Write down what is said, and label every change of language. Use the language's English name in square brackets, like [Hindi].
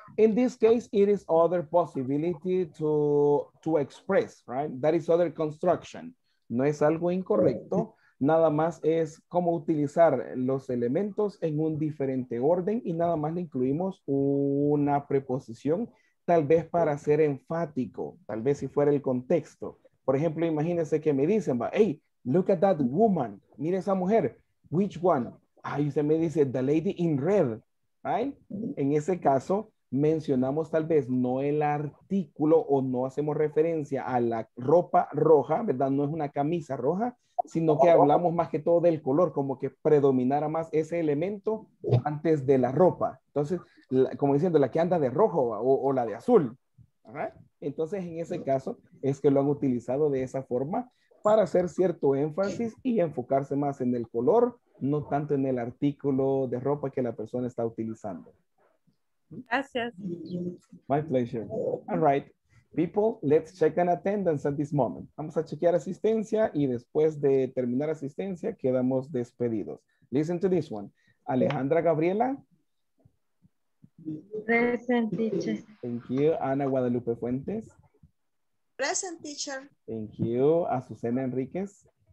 [English] In this case, it is other possibility to express, right? That is other construction. [Spanish] No es algo incorrecto. Nada más es cómo utilizar los elementos en un diferente orden y nada más le incluimos una preposición, tal vez para ser enfático, tal vez si fuera el contexto. Por ejemplo, imagínense que me dicen, [English] hey, look at that woman, [Spanish] mire esa mujer, [English] which one? [Spanish] Ahí usted me dice, [English] the lady in red, right? [Spanish] En ese caso, mencionamos tal vez no el artículo o no hacemos referencia a la ropa roja, ¿verdad? No es una camisa roja, sino que hablamos más que todo del color, como que predominara más ese elemento antes de la ropa. Entonces, como diciendo, la que anda de rojo o la de azul. ¿Ajá? Entonces, en ese caso, es que lo han utilizado de esa forma para hacer cierto énfasis y enfocarse más en el color, no tanto en el artículo de ropa que la persona está utilizando. Gracias. [English] My pleasure. All right. People, let's check an attendance at this moment. [Spanish] Vamos a chequear asistencia y después de terminar asistencia, quedamos despedidos. [English] Listen to this one. Alejandra Gabriela. Present, teacher. Thank you. Ana Guadalupe Fuentes. Present, teacher. Thank you. Azucena Enríquez.